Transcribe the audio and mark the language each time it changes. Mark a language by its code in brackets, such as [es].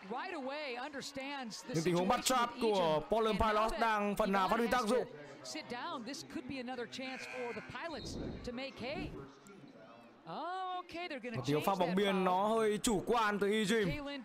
[vi] Những tình huống bắt trap của Portland Pilots đang phần nào phát huy tác dụng. [en] Sit down. This could be another chance for the Pilots to make hay. Oh, okay, they're gonna change. [vi] Một pha bóng biên nó hơi chủ quan từ Ejim.